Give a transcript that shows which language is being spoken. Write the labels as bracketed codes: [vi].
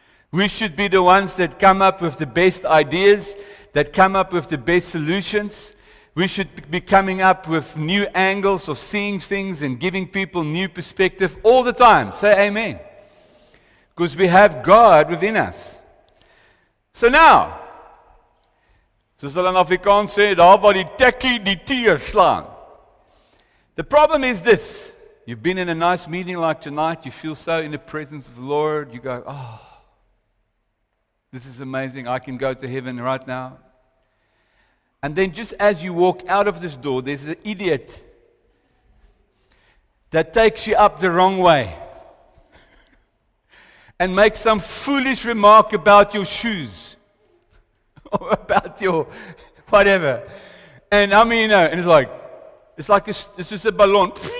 [en] We should be the ones that come up with the best ideas, that come up with the best solutions. We should be coming up with new angles of seeing things and giving people new perspective all the time. Say amen. Because we have God within us. So now, [af] soos hulle in Afrikaans sê, daar waar die tekkie die tier slaan. [en] The problem is this. You've been in a nice meeting like tonight. You feel so in the presence of the Lord. You go, oh, this is amazing. I can go to heaven right now. And then just as you walk out of this door, there's an idiot that takes you up the wrong way and make some foolish remark about your shoes or about your whatever. And I mean, you know, and it's like, it's just a balloon.